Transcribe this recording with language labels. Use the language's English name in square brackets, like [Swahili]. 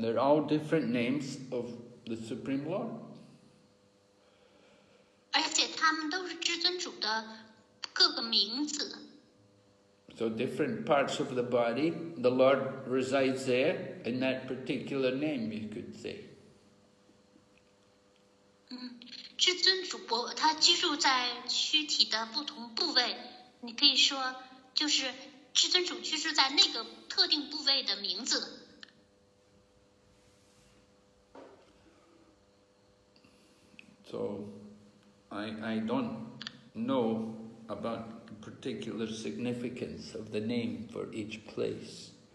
[English] they're all different names of the Supreme Lord. [Chinese] 而且它们都是至尊主的各个名字。 [English] So different parts of the body, the Lord resides there in that particular name, you could say. [Chinese] 至尊主播，他居住在躯体的不同部位，你可以说，就是至尊主居住在那个特定部位的名字。 [English] So, I don't know about particular significance of the name for each place.